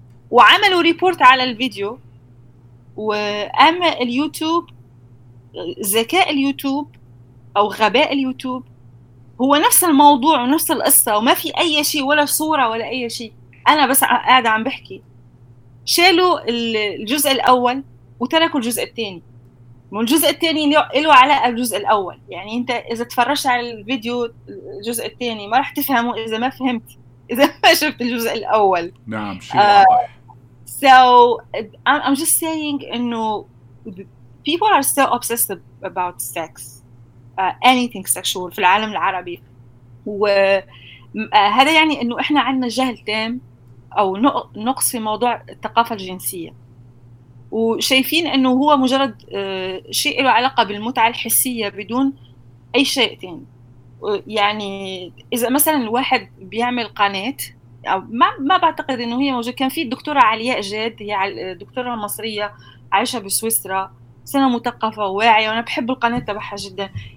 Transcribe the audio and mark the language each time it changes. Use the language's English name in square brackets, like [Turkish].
[Arabic] وعملوا ريبورت على الفيديو، وأما اليوتيوب، ذكاء اليوتيوب أو غباء اليوتيوب، هو نفس الموضوع ونفس القصة، وما في أي شيء ولا صورة ولا أي شيء، أنا بس قاعدة عم بحكي. شالوا الجزء الأول وتركوا الجزء الثاني، والجزء الثاني له علاقة بالجزء الأول. يعني أنت إذا تفرجت على الفيديو الجزء الثاني ما راح تفهمه إذا ما فهمت، إذا ما شفت الجزء الأول. نعم شيء واضح. [English] So I'm just saying, you know, people are so obsessed about sex, anything sexual [Arabic] في العالم العربي. وهذا يعني إنه إحنا عندنا جهل تام أو نقص في موضوع الثقافة الجنسية، وشايفين إنه هو مجرد شيء له علاقة بالمتعة الحسية بدون أي شيء تاني. يعني إذا مثلاً الواحد بيعمل قناة، أو ما بعتقد إنه هي موجودة، كان في الدكتورة علياء جاد، هي دكتورة مصرية عايشة بسويسرا، سنة مثقفة وواعية، وأنا بحب القناة تبعها جدا.